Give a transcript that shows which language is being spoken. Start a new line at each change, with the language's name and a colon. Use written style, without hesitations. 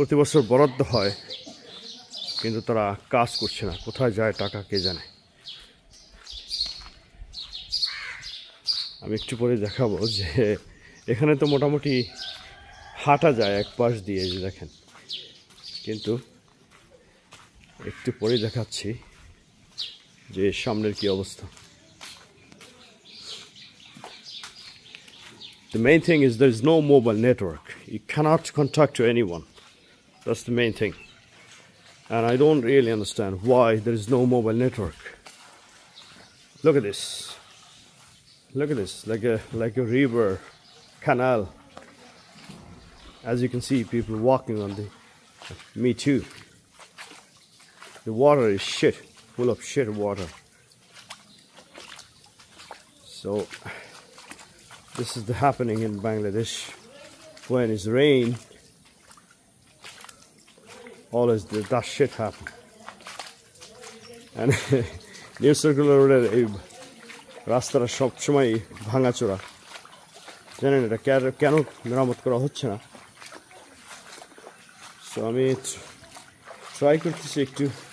Bangla: প্রতি বছর বরাদ্দ হয় কিন্তু তারা কাজ করছে না কোথায় যায় টাকা কে জানে আমি একটু পরে দেখাবো যে এখানে তো মোটামুটি হাঁটা যায় এক পাশ দিয়ে যে দেখেন কিন্তু একটু পরে দেখাচ্ছি যে সামনের কি অবস্থা
English: The main thing is there is no mobile network. You cannot contact to anyone. That's the main thing. And I don't really understand why there is no mobile network. Look at this. Look at this, like a river canal. As you can see, people walking on the, me too. The water is shit, full of shit water. So, this is the happening in Bangladesh. When it's rain, always that shit happen.
Bangla: And New Circular Road, রাস্তা সবসময় ভাঙাচোরা জানেন এটা কেন মেরামত করা হচ্ছে না সো আমি ট্রাই করতেছি একটু